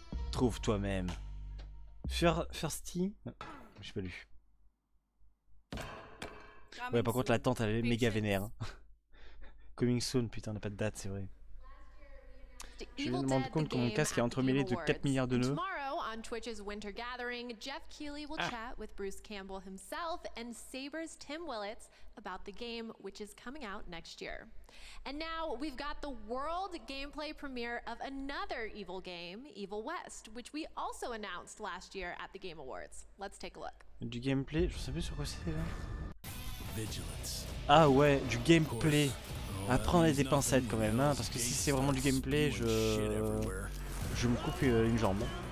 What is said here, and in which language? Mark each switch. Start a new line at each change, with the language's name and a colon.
French: Trouve toi-même. Firsty? Je sais pas lu. Ouais, par contre, la tante, elle est méga vénère.
English: Coming soon,
French: putain, on n'a pas de date, c'est vrai. Je me rends compte que mon casque est entremêlé de 4 milliards de nœuds.
English: On Twitch's Winter Gathering, Jeff Keighley will chat with Bruce Campbell himself and Saber's Tim Willits about the game, which is coming out next year. And now we've got the world gameplay premiere of another Evil game, Evil West, which we also announced last year at the Game Awards. Let's take a look.
French: Du gameplay, je sais plus sur quoi c'est là. Vigilance. Ah ouais, du gameplay. Apprendre les pincettes quand même, hein, parce que si c'est vraiment du gameplay, je me coupe une jambe.